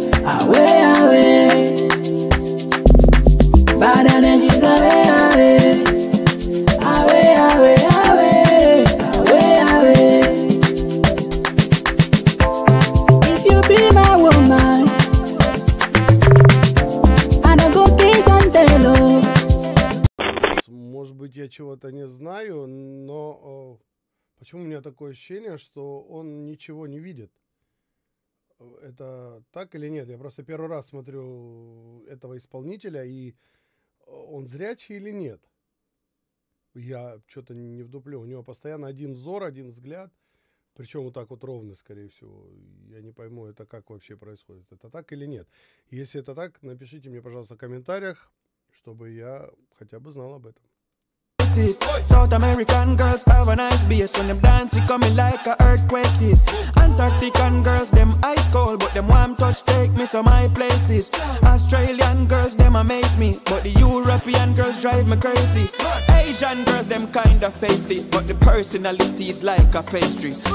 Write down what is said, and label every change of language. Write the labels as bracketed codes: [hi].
[en] Away away. Banana juice away away. Away away away. Away away. If you be my woman and I go kiss and tell you. [ru] Может быть, я чего-то не знаю, но почему у меня такое ощущение, что он ничего не видит? Это так или нет? Я просто первый раз смотрю этого исполнителя, и он зрячий или нет? Я что-то не вдуплю. У него постоянно один взор, один взгляд. Причем вот так вот ровно, скорее всего. Я не пойму, это как вообще происходит. Это так или нет? Если это так, напишите мне, пожалуйста, в комментариях, чтобы я хотя бы знал об этом. [en] South American girls have a nice bass. When them dance, it coming like a earthquake hit. Antarctican girls, them ice cold, but them warm touch take me to my places. Australian girls, them amaze me, but the European girls drive me crazy. Asian girls, them kind of feisty, but the personality is like a pastry.